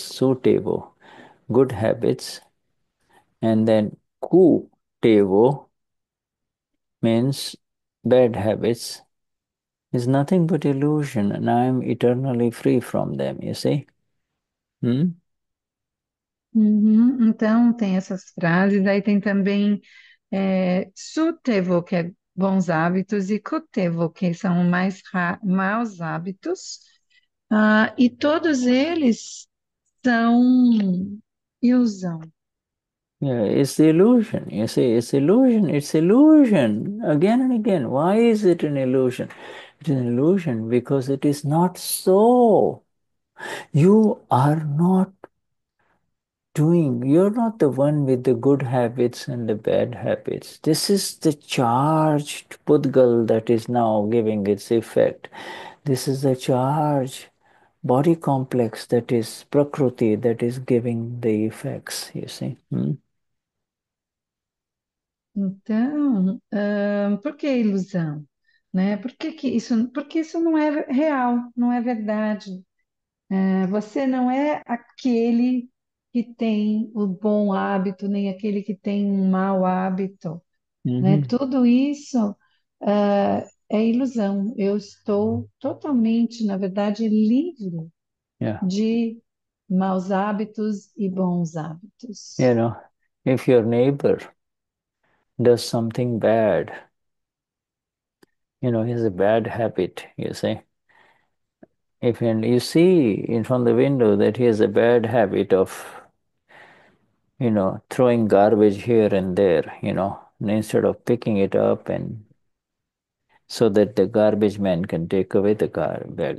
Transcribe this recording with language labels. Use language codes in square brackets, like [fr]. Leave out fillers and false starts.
[en] Sutevo, good habits. And then kutevo means bad habits is nothing but illusion, and I am eternally free from them, you see? [pt] Então tem essas frases, aí tem também sutevo, que é bons hábitos, e kutevo, que são mais maus hábitos, e todos eles são ilusão. [en] Yeah, it's the illusion. You see, it's illusion. It's illusion again and again. Why is it an illusion? It's an illusion because it is not so. You are not doing, you're not the one with the good habits and the bad habits. This is the charged pudgal that is now giving its effect. This is the charged body complex that is prakriti that is giving the effects, you see. [pt] Então, por que ilusão, né? Porque isso não é real, não é verdade. Você não é aquele que tem o bom hábito, nem aquele que tem um mau hábito, né? Tudo isso, é ilusão. Eu estou totalmente, na verdade, livre de maus hábitos e bons hábitos. [en] If your neighbor does something bad, he has a bad habit, you see. If you see in from the window that he has a bad habit of, throwing garbage here and there, instead of picking it up and so that the garbage man can take away the garbage.